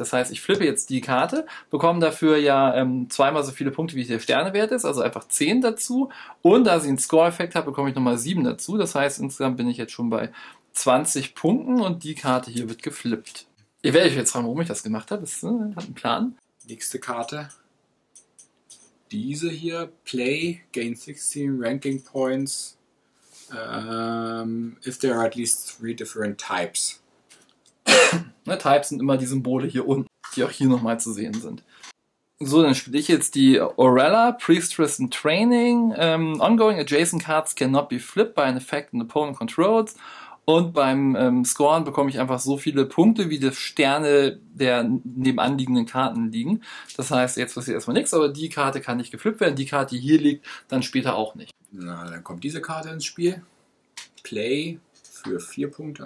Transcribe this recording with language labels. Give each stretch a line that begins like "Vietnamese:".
German: Das heißt, ich flippe jetzt die Karte, bekomme dafür ja zweimal so viele Punkte, wie der Sternewert ist, also einfach 10 dazu. Und da sie einen Score-Effekt hat, bekomme ich nochmal 7 dazu. Das heißt, insgesamt bin ich jetzt schon bei 20 Punkten und die Karte hier wird geflippt. Ihr werdet euch jetzt fragen, warum ich das gemacht habe. Das hat einen Plan. Nächste Karte. Diese hier,
English: play, gain 16 ranking points, if there are at least 3 different types.
German: Ne, types sind immer die Symbole hier unten, die auch hier nochmal zu sehen sind. So, dann spiele ich jetzt die Aurella, Priestress in Training.
English: Ongoing adjacent cards cannot be flipped by an effect an opponent controls.
German: Und beim Scoren bekomme ich einfach so viele Punkte, wie die Sterne der nebenanliegenden Karten liegen. Das heißt, jetzt passiert erstmal nichts, aber die Karte kann nicht geflippt werden. Die Karte, die hier liegt, dann später auch nicht. Na, dann kommt diese Karte ins Spiel. Play für 4 Punkte.